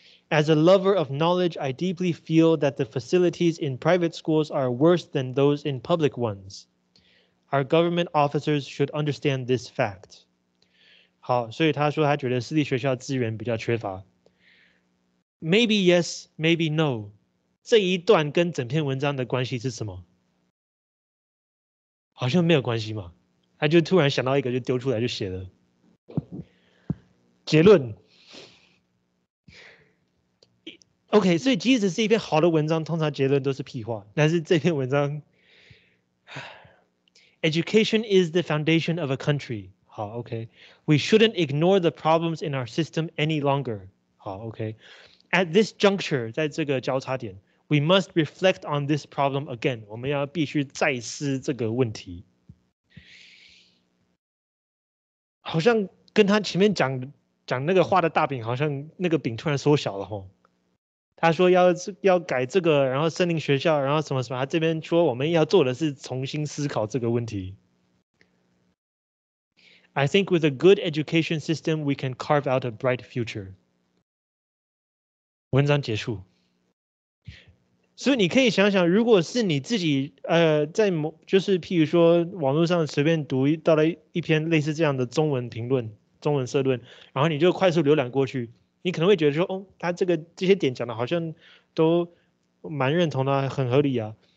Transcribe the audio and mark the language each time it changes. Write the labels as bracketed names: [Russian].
[English] As a lover of knowledge, I deeply feel that the facilities in private schools are worse than those in public ones. Our government officers should understand this fact. [Chinese] 好，所以他说他觉得私立学校资源比较缺乏。 [English] Maybe yes, maybe no. [Chinese] 这一段跟整篇文章的关系是什么？好像没有关系嘛。他就突然想到一个就丢出来就写了。结论。 OK, 所以即使是一篇好的文章，通常结论都是屁话。但是这篇文章 [English] ,Education is the foundation of a country. 好 ,OK。 We shouldn't ignore the problems in our system any longer. 好 ,OK。At this juncture, [Chinese] 在这个交叉点 [English] ,we must reflect on this problem again. [Chinese] 我们要必须再思这个问题。好像跟他前面讲那个画的大饼，好像那个饼突然缩小了齁。他说要改这个，然后森林学校，然后什么什么。他这边说我们要做的是重新思考这个问题。 [English] I think with a good education system, we can carve out a bright future. [Chinese] 文章结束。所以你可以想想，如果是你自己，在某就是譬如说网络上随便读到了一篇类似这样的中文评论、中文社论，然后你就快速浏览过去。你可能会觉得说，哦，他这些点讲的好像都蛮认同的，很合理啊。